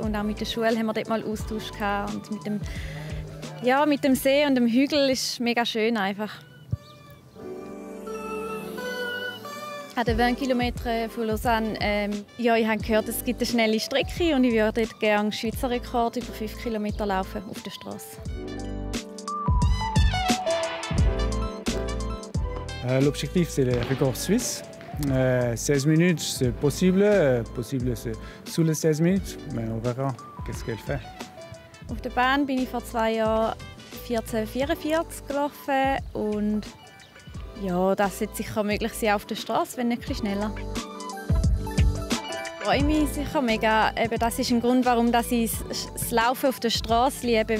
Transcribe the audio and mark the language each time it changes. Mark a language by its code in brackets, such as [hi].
[de] Und auch mit der Schule haben wir dort mal Austausch gehabt. Und mit dem See und dem Hügel ist es mega schön einfach. An den 20 Kilometern von Lausanne, ich habe gehört, es gibt eine schnelle Strecke und ich würde dort gerne Schweizer Rekord über 5 Kilometer laufen auf der Strasse. [fr] L'objectif, c'est le record suisse. 16 minutes, c'est possible. Possible, c'est sous les 16 minutes. Mais on verra qu'est-ce qu'elle fait. [de] Auf der Bahn bin ich vor 2 Jahren 14:44 gelaufen. Und ja, das sollte sicher möglich sein auf der Straße, wenn nicht ein bisschen schneller. Ich freue mich sicher mega. Eben, das ist ein Grund, warum ich das Laufen auf der Straße liebe.